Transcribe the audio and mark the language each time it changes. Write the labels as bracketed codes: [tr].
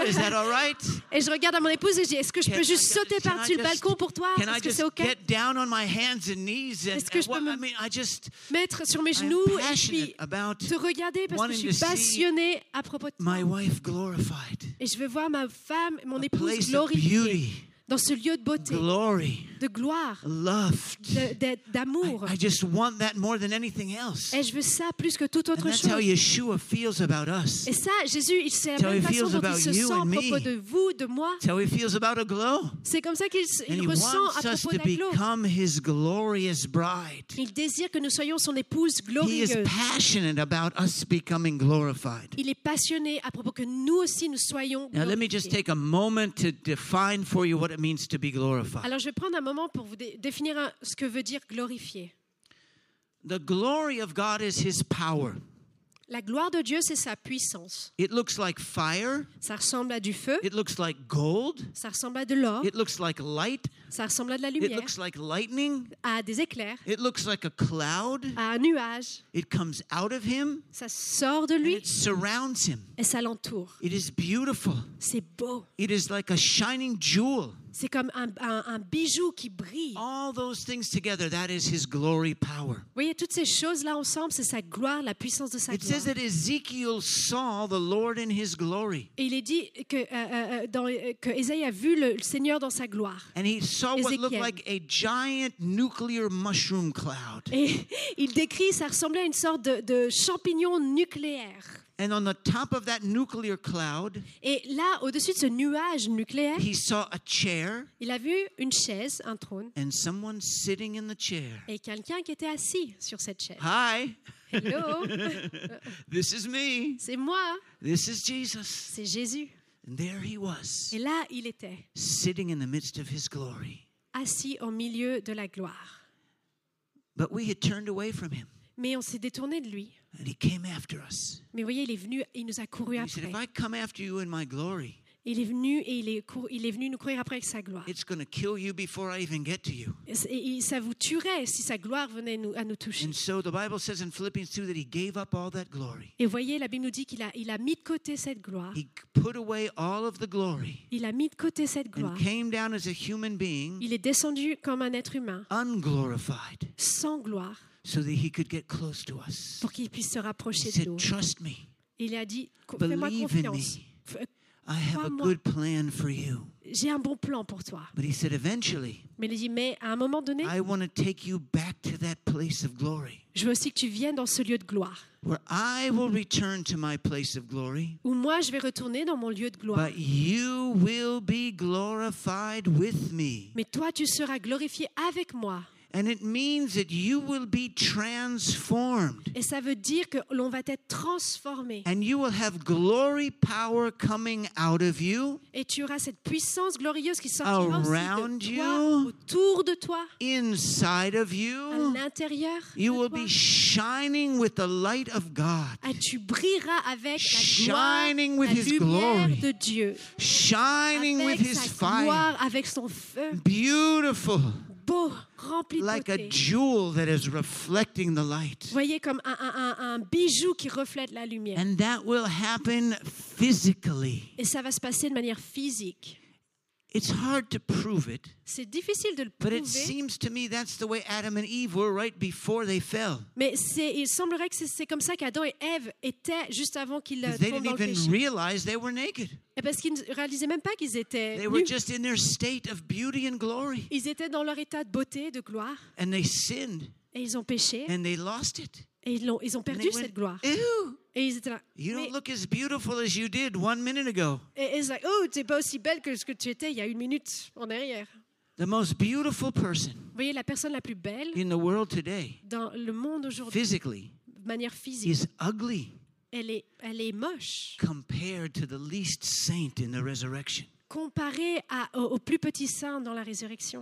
[en] Is that all right? [fr] Et je regarde à mon épouse et je dis, est-ce que je peux juste sauter par-dessus le balcon pour toi? [en] Can I just get down on my hands and knees? [fr] Est-ce que je peux me mettre sur mes genoux et puis te regarder parce que je suis passionnée à propos de toi? [en] My wife glorified. [fr] Et je veux voir ma femme, mon épouse glorifiée. Dans ce lieu de beauté, [en] glory, [fr] de gloire, [en] loved, [fr] d'amour. [en] I just want that more than anything else. [fr] Et je veux ça plus que toute autre [en] chose. And that's how Yeshua feels about us. [fr] Et ça, Jésus, il sait la même façon dont il se sent à propos de vous, de moi. [en] That's how he feels about a glow. [fr] C'est comme ça qu'il ressent à propos de la glow. [en] Become his glorious bride. [fr] Il désire que nous soyons son épouse glorieuse. [en] He is passionate about us becoming glorified. [fr] Il est passionné à propos que nous aussi nous soyons glorifiés. [en] Now let me just take a moment to define for you what it means to be glorified. [fr] Alors je vais prendre un moment pour vous définir ce que veut dire glorifier. [en] The glory of God is his power. [fr] La gloire de Dieu c'est sa puissance. [en] It looks like fire. [fr] Ça ressemble à du feu. [en] It looks like gold. [fr] Ça ressemble à de l'or. [en] It looks like light. [fr] Ça ressemble à de la lumière. [en] It looks like lightning. [fr] À des éclairs. [en] It looks like a cloud. [fr] À un nuage. [en] It comes out of him. [fr] Ça sort de lui. [en] And it surrounds him. [fr] Et ça l'entoure. [en] It is beautiful. [fr] C'est beau. [en] It is like a shining jewel. [fr] C'est comme un bijou qui brille. [en] All those things together, that is his glory, power. [fr] Vous voyez, toutes ces choses-là ensemble, c'est sa gloire, la puissance de sa gloire. [en] It says that Ezekiel saw the Lord in his glory. [fr] Et il est dit que, que Ésaïe a vu le Seigneur dans sa gloire. [en] And he saw what looked like a giant nuclear mushroom cloud. [fr] Et il décrit, ça ressemblait à une sorte de champignon nucléaire. [en] And on the top of that nuclear cloud, [fr] et là, au-dessus de ce nuage nucléaire, [en] he saw a chair, [fr] il a vu une chaise, un trône, [en] and someone sitting in the chair. [fr] Et quelqu'un qui était assis sur cette chaise. [en] Hi. Hello. This is me. [fr] C'est moi. [en] This is Jesus. [fr] C'est Jésus. [en] And there he was. [fr] Et là, il était. [en] Sitting in the midst of his glory. [fr] Assis au milieu de la gloire. [en] But we had turned away from him. [fr] Mais on s'est détourné de lui. [en] And he came after us. [fr] Mais voyez, il est venu, il nous a couru après. [en] He said, "If I come after you in my glory." [fr] Il est venu et il est venu nous courir après avec sa gloire. [en] It's going to kill you before I even get to you. [fr] Et ça vous tuerait si sa gloire venait à nous toucher. [en] And so the Bible says in Philippians 2 that he gave up all that glory. [fr] Et voyez, la Bible nous dit qu'il a mis de côté cette gloire. [en] He put away all of the glory. [fr] Il a mis de côté cette gloire. [en] And came down as a human being. [fr] Il est descendu comme un être humain. [en] Unglorified. [fr] Sans gloire. [en] So that he could get close to us. [fr] Pour qu'il puisse se rapprocher de nous. [en] He said, "Trust me." [fr] Il a dit, "Fais-moi confiance." [en] I have a good plan for you. [fr] J'ai un bon plan pour toi. [en] But he said, "Eventually." [fr] Mais il dit, mais à un moment donné. [en] I want to take you back to that place of glory. [fr] Je veux aussi que tu viennes dans ce lieu de gloire. [en] Where I will return to my place of glory. [fr] Où moi je vais retourner dans mon lieu de gloire. [en] But you will be glorified with me. [fr] Mais toi tu seras glorifié avec moi. [en] And it means that you will be transformed. [fr] Et ça veut dire que l'on va être transformé. [en] And you will have glory power coming out of you. [fr] Et tu auras cette puissance glorieuse qui sortira [en] around [fr] de toi, [en] you, [fr] autour de toi. [en] Inside of you. [fr] À l'intérieur. [en] You will be shining with the light of God. [fr] Et tu brilleras avec la gloire, [en] shining with [fr] la [en] his [fr] lumière [en] glory, [fr] de Dieu. [en] Shining [fr] avec [en] with [fr] sa [en] his [fr] gloire, [en] fire. [fr] Avec son feu. [en] Beautiful. [fr] Beau, rempli de [en] like [fr] beauté. [en] A jewel that is reflecting the light. [fr] Voyez comme un bijou qui reflète la lumière. [en] And that will happen physically. [fr] Et ça va se passer de manière physique. [en] It's hard to prove it. [fr] C'est difficile de le prouver. [en] But it seems to me that's the way Adam and Eve were right before they fell. [fr] Mais il semblerait que c'est comme ça qu'Adam et Ève étaient juste avant qu'ils tombent dans le péché. [en] They didn't even realize they were naked. [fr] Et parce qu'ils ne réalisaient même pas qu'ils étaient nus. [en] They were just in their state of beauty and glory. [fr] Ils étaient dans leur état de beauté, de gloire. [en] And they sinned. [fr] Et ils ont péché. [en] And they lost it. [fr] Et ils ont perdu [en] went, [fr] cette gloire. [en] Ew. [fr] Et ils étaient là. [en] You don't look as beautiful as you did 1 minute ago. [fr] Et ils étaient là. Oh, t'es pas aussi belle que ce que tu étais il y a une minute en arrière. [en] The most beautiful person. [fr] Vous voyez, la personne la plus belle [en] in the world today, [fr] dans le monde aujourd'hui, [en] physically, [fr] de manière physique, [en] is ugly. [fr] Elle est moche. [en] Compared to the least saint in the resurrection. [fr] Comparé au plus petit saint dans la résurrection.